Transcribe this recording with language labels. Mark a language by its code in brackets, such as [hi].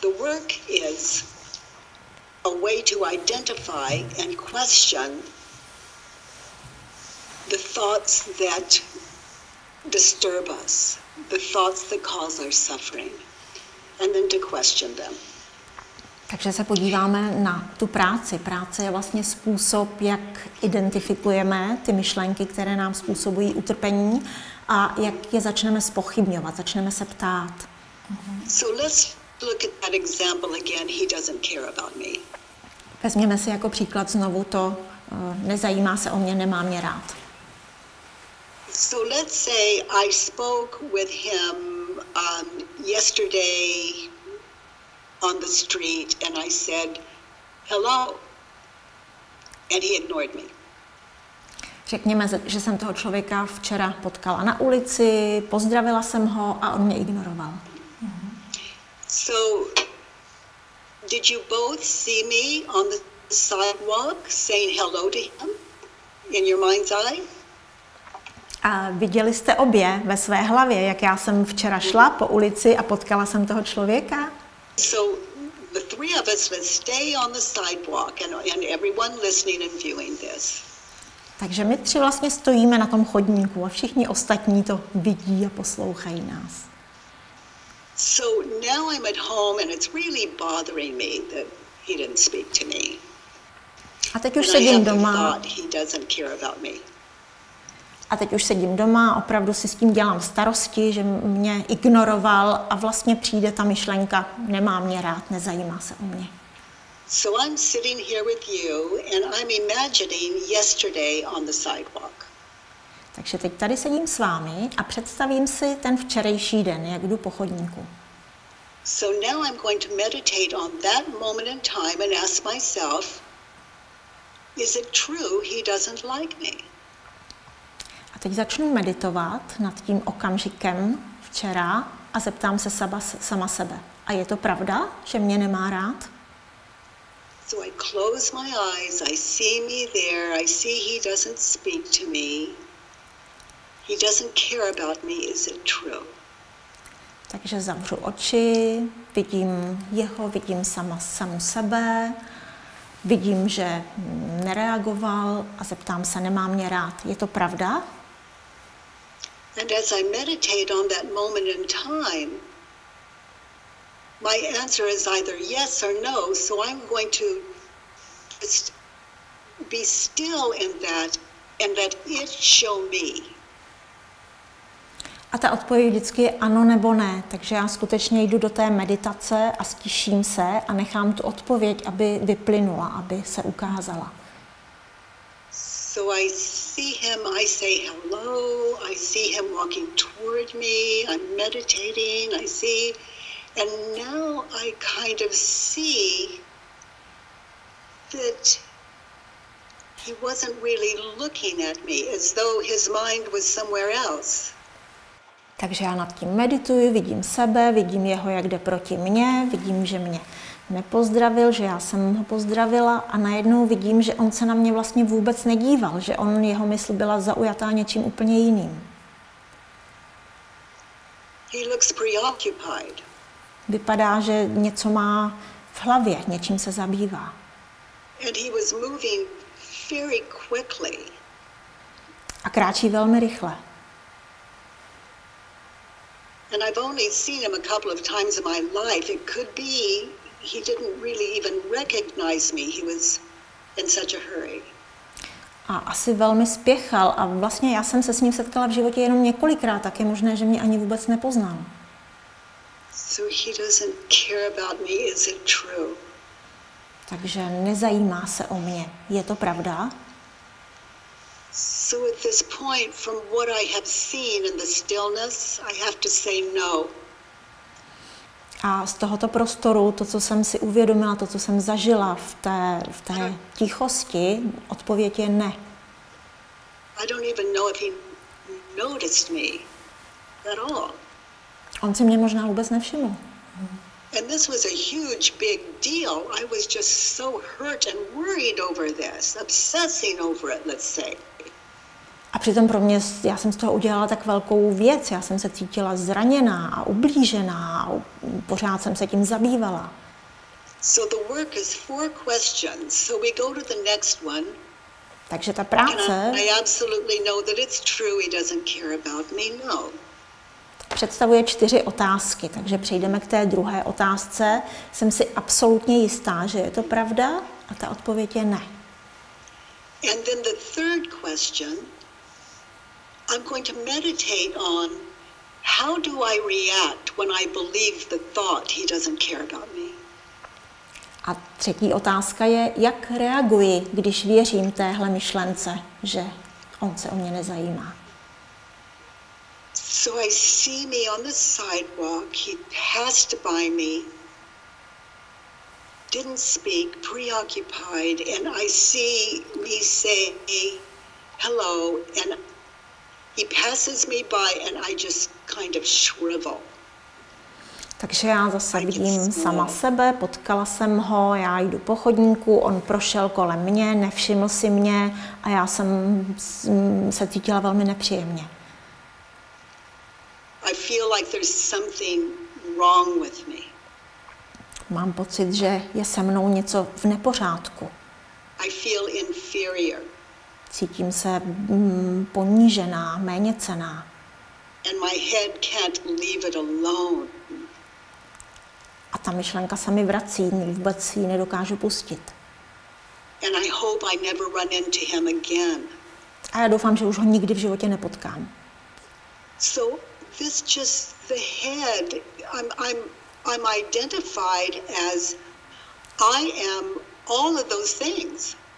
[en] The work is a way to identify and question the thoughts that disturb us, the thoughts that cause our suffering, and then to question them. [cs] Takže se podíváme na tu práci. Práce je vlastně způsob, jak identifikujeme ty myšlenky, které nám způsobují utrpení, a jak je začneme spochybňovat, začneme se ptát. [en] So let's look at that example again. He doesn't care about me. [cs] Vezměme si jako příklad znovu to, nezajímá se o mě, nemá mě rád. [en] So let's say I spoke with him yesterday on the street and I said hello and he ignored me. [cs] Řekněme, že jsem toho člověka včera potkala na ulici, pozdravila jsem ho a on mě ignoroval. [en] So, did you both see me on the sidewalk saying hello to him in your mind's eye? [cs] A viděli jste obě ve své hlavě, jak já jsem včera šla po ulici a potkala jsem toho člověka? [en] So, the three of us would stay on the sidewalk and everyone listening and viewing this. [cs] Takže my tři vlastně stojíme na tom chodníku a všichni ostatní to vidí a poslouchají nás. [en] So now I'm at home and it's really bothering me that he didn't speak to me. [cs] A teď už sedím doma. [en] He doesn't care about me. [cs] A teď už sedím doma, opravdu si s tím dělám starosti, že mě ignoroval a vlastně přijde ta myšlenka, nemá mě rád, nezajímá se o mě. [en] So I'm sitting here with you and I'm imagining yesterday on the sidewalk. [cs] Takže teď tady sedím s vámi a představím si ten včerejší den, jak jdu po chodníku. [en] So now I'm going to meditate on that moment in time and ask myself, is it true he doesn't like me? [cs] A teď začnu meditovat nad tím okamžikem včera a zeptám se sama sebe. A je to pravda, že mě nemá rád? [en] So I close my eyes, I see me there, I see he doesn't speak to me. He doesn't care about me, is it true? [cs] Takže zavřu oči, vidím jeho, vidím samu sebe, vidím, že nereagoval a zeptám se, nemá mě rád, je to pravda? [en] And as I meditate on that moment in time, my answer is either yes or no, so I'm going to just be still in that and let it show me. [cs] A ta odpověď vždycky je ano nebo ne, takže já skutečně jdu do té meditace a stiším se a nechám tu odpověď, aby vyplynula, aby se ukázala. [en] So I see him, I say hello, I see him walking toward me, I'm meditating, I see. And now I kind of see that he wasn't really looking at me, as though his mind was somewhere else. [cs] Takže já nad tím medituji, vidím sebe, vidím jeho, jak jde proti mně, vidím, že mě nepozdravil, že já jsem ho pozdravila a najednou vidím, že on se na mě vlastně vůbec nedíval, že on, jeho mysl byla zaujatá něčím úplně jiným. [en] He looks preoccupied. [cs] Vypadá, že něco má v hlavě, něčím se zabývá. [en] And he was moving very quickly. [cs] A kráčí velmi rychle. [en] And I've only seen him a couple of times in my life. It could be he didn't really even recognize me. He was in such a hurry. [cs] A asi velmi spěchal a vlastně já jsem se s ním setkala v životě jenom několikrát, tak je možné, že mě ani vůbec nepoznal. [en] So he doesn't care about me, is it true? [cs] Takže nezajímá se o mě. Je to pravda? [en] So at this point, from what I have seen in the stillness, I have to say no. [cs] A z tohoto prostoru, to, co jsem si uvědomila, to, co jsem zažila v té tichosti, odpověď je ne. [en] I don't even know if he noticed me at all. [cs] On si mě možná vůbec nevšiml. [en] And this was a huge big deal. I was just so hurt and worried over this, obsessing over it, let's say. [cs] A přitom pro mě, já jsem z toho udělala tak velkou věc. Já jsem se cítila zraněná a ublížená a pořád jsem se tím zabývala. [en] So the work is four questions. So we go to the next one. [cs] Takže ta práce. [en] I absolutely know that it's true. He doesn't care about me. No. [cs] Představuje čtyři otázky, takže přejdeme k té druhé otázce. Jsem si absolutně jistá, že je to pravda, a ta odpověď je ne. [en] And then the third question, I'm going to meditate on how do I react when I believe the thought he doesn't care about me. [cs] A třetí otázka je, jak reaguji, když věřím téhle myšlence, že on se o mě nezajímá. [en] So I see me on the sidewalk, he passed by me, didn't speak, preoccupied, and I see me say hello, and he passes me by, and I just kind of shrivel. [cs] Takže já zase vidím sama sebe, potkala jsem ho, já jdu po chodníku, on prošel kolem mě, nevšiml si mě a já jsem se cítila velmi nepříjemně. [en] I feel like there's something wrong with me. [cs] Mám pocit, že je se mnou něco v nepořádku. [en] I feel inferior. [cs] cítím se ponížená, méně cená. [en] And my head can't leave it alone. [cs] A ta myšlenka se mi vrací, vůbec ji nedokážu pustit. [en] And I hope I never run into him again. [cs] A já doufám, že už ho nikdy v životě nepotkám. [en] So this just the head. I'm identified as I am all of those things.